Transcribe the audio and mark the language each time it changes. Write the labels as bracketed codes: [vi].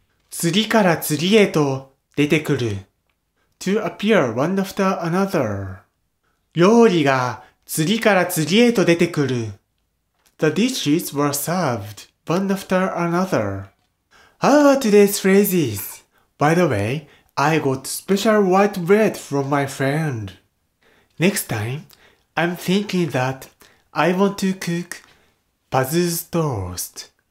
[ja] 次から次へと出てくる。 [en] To appear one after another. [ja] 料理が次から次へと出てくる。 [en] The dishes were served one after another. How are today's phrases? By the way, I got special white bread from my friend. Next time, I'm thinking that I want to cook Pazu's toast.